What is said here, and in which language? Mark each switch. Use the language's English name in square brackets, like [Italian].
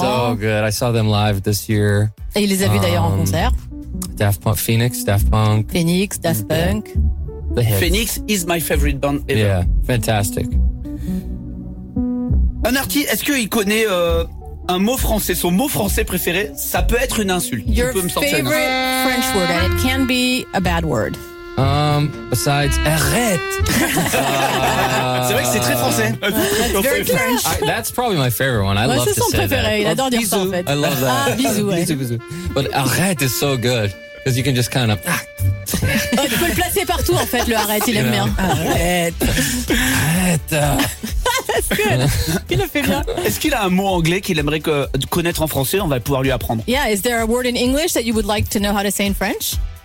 [English] So good. I saw them live this year. [French] Et il les a vus d'ailleurs en concert. Daft Punk, Phoenix, Daft Punk. Phoenix, Daft Punk. [English] Yeah. Phoenix is my favorite band ever. Yeah, fantastic. [French] Un artiste, est-ce qu'il connaît un mot français, son mot français préféré? Ça peut être une insulte. [English] Your favorite French word, and it can be a bad word. Besides, arrête! [French] C'est vrai que c'est très français. [English] Very French. That's probably my favorite one. I [French] ouais, [English] love to say [French] préféré. [English] That. [French] Il adore dire bisous. Ça, en fait. [English] I love that. [French] Ah, bisous, ouais. Bisous, bisous. [English] But arrête is so good. Because you can just kind of... [French] Oh, tu peux le placer partout, en fait, le arrête. Il you aime know. Bien. Arrête. Arrête. [English] That's good. [French] Il le fait bien. Est-ce qu'il a un mot anglais qu'il aimerait connaître en français? On va pouvoir lui apprendre. [English] Yeah, is there a word in English that you would like to know how to say in French?